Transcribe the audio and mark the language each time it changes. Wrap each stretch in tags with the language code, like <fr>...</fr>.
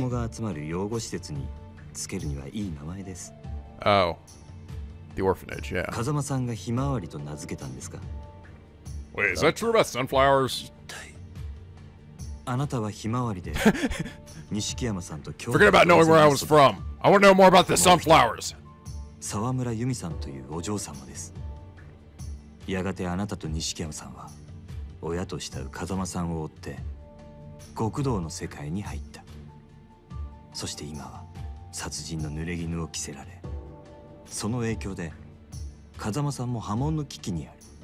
<ja>子供が集まる養護施設につけるにはいい名前です。</ja> <en>Oh. The orphanage, yeah.</en> <ja>風間さんがひまわりと名付けたんですか?</ja> <en>Wait, is that true about sunflowers?</en> <ja>あなたはひまわりで錦山さんと</ja> <en>共同 Forget about knowing where I was from. I want to know more about the sunflowers.</en> <ja>沢村由美さんというお嬢様です。やがてあなたと錦山さんは親と慕う風間さんを追って極道の世界に入った。そして今は殺人の濡れ衣を着せられ、その影響で風間さんも波紋の危機にある。</ja>